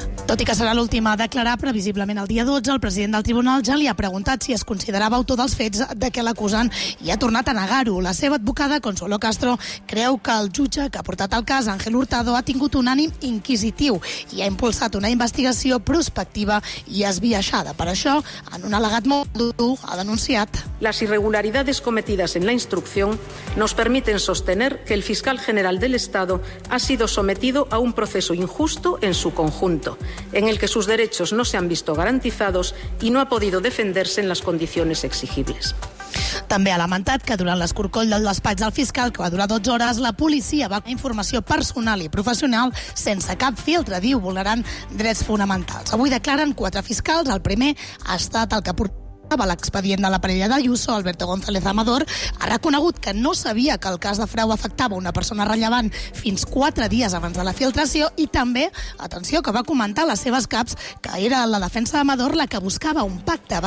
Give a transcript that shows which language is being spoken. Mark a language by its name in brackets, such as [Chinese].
[Catalan] Tot i que serà l'última a declarar, previsiblement el dia 12, el president del tribunal ja li ha preguntat si es considerava autor dels fets de què l'acusen i ha tornat a negar-ho. La seva advocada, Consuelo Castro, creu que el jutge que ha portat el cas, Ángel Hurtado, ha tingut un ànim inquisitiu i ha impulsat una investigació prospectiva i esbiaixada. Per això, en un al·legat molt dur, ha denunciat. [Spanish] Las irregularidades cometidas en la instrucción nos permiten sostener que el fiscal general del Estado ha sido sometido a un proceso injusto en su conjunto, en el que sus derechos no se han visto garantizados y no ha podido defenderse en las condiciones exigibles. [Catalan] També ha lamentat que durant l'escorcoll del despatx del fiscal, que va durar 12 hores, la policia va donar informació personal i professional sense cap filtre, diu, vulnerant drets fonamentals. Avui declaren 4 fiscals, el primer ha estat el que portava l'expedient de la parella d'Ayuso, Alberto González Amador, ha reconegut que no sabia que el cas de frau afectava una persona rellevant fins 4 dies abans de la filtració i també, atenció, que va comentar a les seves caps que era la defensa d'Amador la que buscava un pacte.